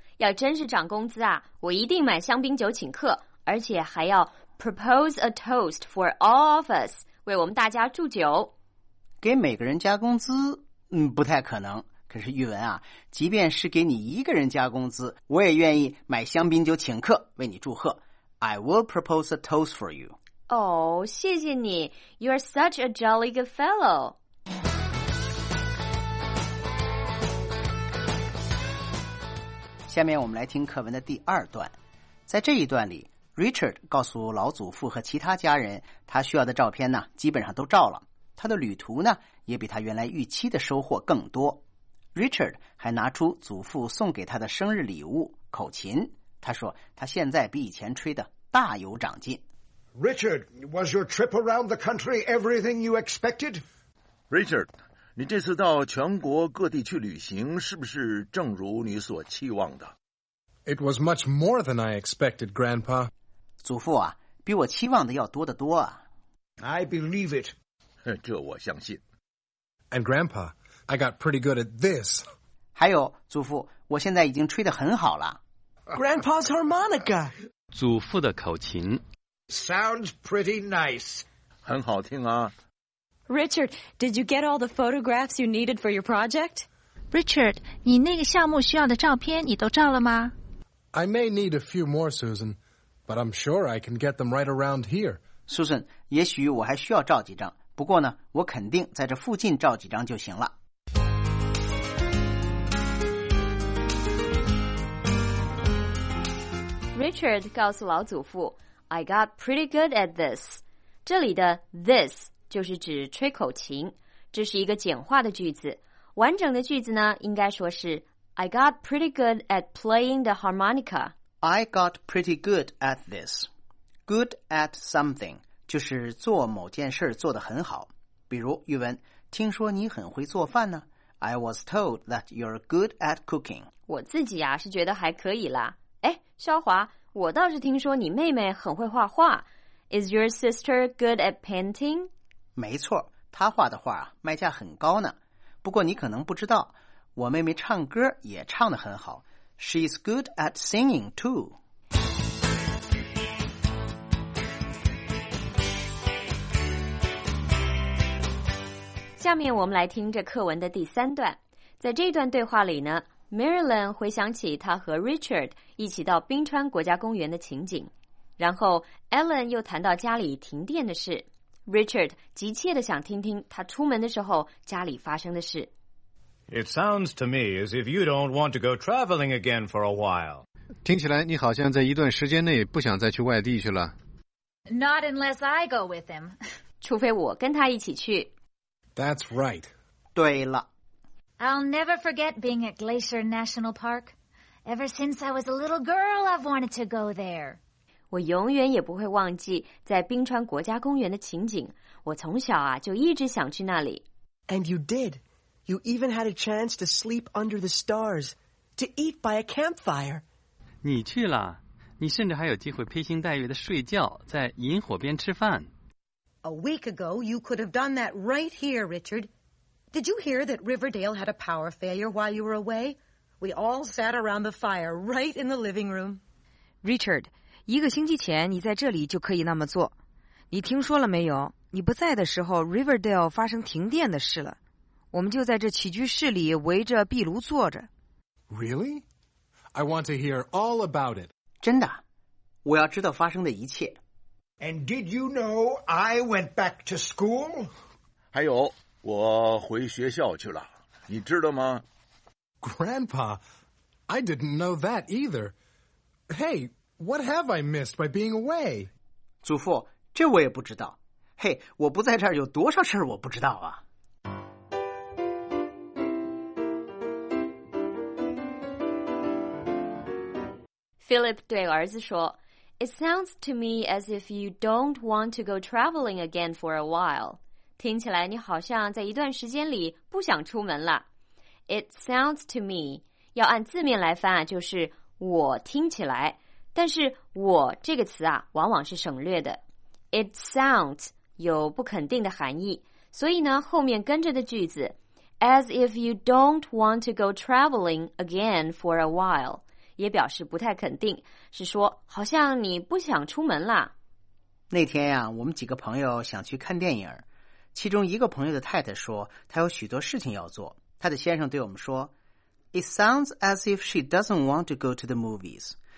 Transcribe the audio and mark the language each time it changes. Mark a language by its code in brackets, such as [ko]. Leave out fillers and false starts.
[zh] 要真是涨工资啊，我一定买香槟酒请客，而且还要 [en] propose a toast for all of us, [zh] 为我们大家祝酒。给每个人加工资不太可能，可是玉文啊，即便是给你一个人加工资，我也愿意买香槟酒请客为你祝贺。 [en] I will propose a toast for you. [zh] Oh, 谢谢你。 [en] You are such a jolly good fellow. [zh] 下面我们来听课文的第二段。在这一段里， Richard 告诉老祖父和其他家人，他需要的照片呢，基本上都照了。他的旅途呢，也比他原来预期的收获更多。 Richard 还拿出祖父送给他的生日礼物，口琴。他说他现在比以前吹的大有长进。 [en] Richard, was your trip around the country everything you expected? [zh] Richard, 你这次到全国各地去旅行是不是正如你所期望的？ [en] It was much more than I expected, Grandpa. [zh] 祖父啊，比我期望的要多得多啊。 [en] I believe it. [zh] 这我相信。 [en] And Grandpa, I got pretty good at this. [zh] 还有，祖父，我现在已经吹得很好了。 [en] Grandpa's harmonica. [zh] 祖父的口琴。 [en] Sounds pretty nice. [zh] 很好听啊。 [en] Richard, did you get all the photographs you needed for your project? [zh] Richard, 你那个项目需要的照片你都照了吗？ [en] I may need a few more, Susan, but I'm sure I can get them right around here. [zh] Susan, 也许我还需要照几张，不过呢，我肯定在这附近照几张就行了。 Richard 告诉老祖父 , [en] I got pretty good at this. [zh] 这里的 this 就是指吹口琴，这是一个简化的句子。完整的句子呢，应该说是 [en] I got pretty good at playing the harmonica. I got pretty good at this. Good at something [zh] 就是做某件事做得很好。比如语文，听说你很会做饭呢。 [en] I was told that you're good at cooking. [zh] 我自己啊是觉得还可以啦。哎，肖华，我倒是听说你妹妹很会画画。 [en] Is your sister good at painting? [zh] 没错，她画的画卖价很高呢。不过你可能不知道，我妹妹唱歌也唱得很好。 [en] She's good at singing too. [zh] 下面我们来听这课文的第三段。在这段对话里呢， Marilyn 回想起她和 Richard 一起到冰川国家公园的情景，然后 Ellen 又谈到家里停电的事。 Richard 急切地想听听他出门的时候家里发生的事。 [en] It sounds to me as if you don't want to go traveling again for a while. [zh] 听起来你好像在一段时间内不想再去外地去了。 [en] Not unless I go with him. [zh] 除非我跟他一起去。 [en] That's right. [zh] 对了。 [en] I'll never forget being at Glacier National Park. Ever since I was a little girl, I've wanted to go there. [zh] 我永远也不会忘记在冰川国家公园的情景。我从小啊就一直想去那里。 [en] And you did. You even had a chance to sleep under the stars, to eat by a campfire. [zh] 你去了，你甚至还有机会披星戴月的睡觉，在萤火边吃饭。 [en] A week ago, you could have done that right here, Richard. Did you hear that Riverdale had a power failure while you were away? We all sat around the fire right in the living room. [zh] Richard, 一个星期前你在这里就可以那么做。你听说了没有？你不在的时候 ，Riverdale 发生停电的事了。我们就在这起居室里围着壁炉坐着。 [en] Really? I want to hear all about it. [zh] 真的，我要知道发生的一切。 [en] And did you know I went back to school? [zh] 还有，我回学校去了，你知道吗 [en] ？Grandpa, I didn't know that either. Hey, what have I missed by being away? [zh] 祖父，这我也不知道。嘿，我不在这儿有多少事儿我不知道啊。 [en] Philip [zh] 对儿子说 [en] It sounds to me as if you don't want to go traveling again for a while. [zh] 听起来你好像在一段时间里不想出门了。 [en] It sounds to me, [zh] 要按字面来翻啊，就是我听起来。但是我这个词啊，往往是省略的。 [en] It sounds [zh] 有不肯定的含义，所以呢，后面跟着的句子 [en] As if you don't want to go traveling again for a while. [zh] 也表示不太肯定，是说好像你不想出门了。那天呀，我们几个朋友想去看电影，其中一个朋友的太太说她有许多事情要做。她的先生对我们说 [en] It sounds as if she doesn't want to go to the movies.